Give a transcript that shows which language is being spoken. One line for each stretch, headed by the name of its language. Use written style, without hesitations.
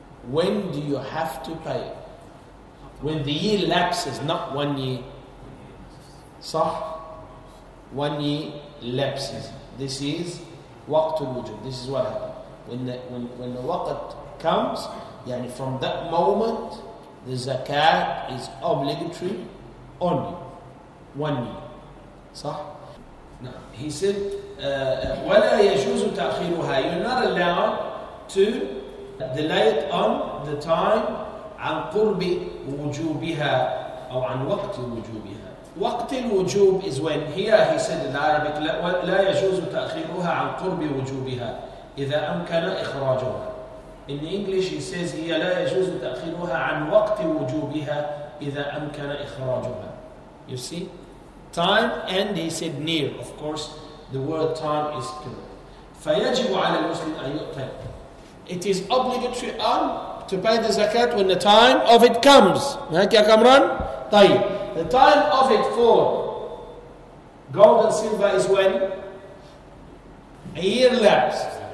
English: When do you have to pay? When the year lapses, not 1 year.
Arabic: صح؟
English: 1 year lapses. This is waqtul wujub. This is what happened. When the waqt comes, yani from that moment, the zakat is obligatory on you. 1 year.
Arabic: صح؟
English: No. He said,
Arabic: ولا يجوز تأخيرها.
English: You're not allowed to delay it on the time
Arabic: عن قرب وجوبها أو عن وقت وجوبها. وقت الوجوب
English: is when, here he said in Arabic,
Arabic: لا يجوز تأخيرها عن قرب وجوبها إذا أمكن إخراجها.
English: In English he says,
Arabic: هي لا يجوز تأخيرها عن وقت وجوبها إذا أمكن إخراجها.
English: You see? Time, and he said near. Of course, the word time is correct.
Arabic: فَيَجِبُ عَلَى الْمُسْلِمِ أَنْ يُؤْتَى.
English: It is obligatory on to pay the zakat when the time of it comes.
Arabic: هيك يا كامران؟ طيب.
English: The time of it for gold and silver is when a year lapsed.